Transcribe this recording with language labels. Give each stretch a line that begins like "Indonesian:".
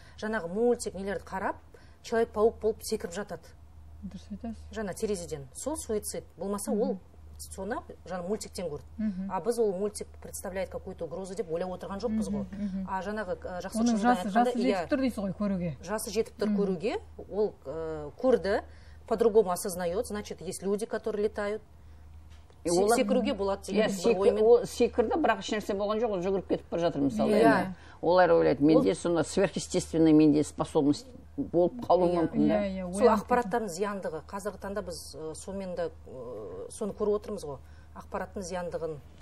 Kazakh: Жаңағы мультик нелерді қарап, Человек-паук болып секіріп жатады. Дұрыс айтасыз. Жаңа терезеден. Сол суицид. Болмаса ол соны жаңа мультиктен көрді. А біз ол мультик
Russian: представляет какую-то угрозу
Kazakh: деп ойлап отырған жоқпыз ғой. А жаңағы жақсы жасы жетіп тұр дейсіз ғой көруге. Жасы жетіп тұр көруге. Ол көрді,
Russian: по-другому осознает, значит, есть люди, которые летают.
Kazakh: Секіруге болады деген ойымен. Ол секірді, бірақ ешнәрсе болған жоқ, жүгіріп кетіп бара жатыр мысалы. Олар ойлайды, менде сонда сверхъестественный менде способность болып қалуы мүмкін. Сол ақпараттардың зияндығы. Қазіргі таңда біз сонымен де соны көріп отырмыз ғой. Ақпараттың зияндығын.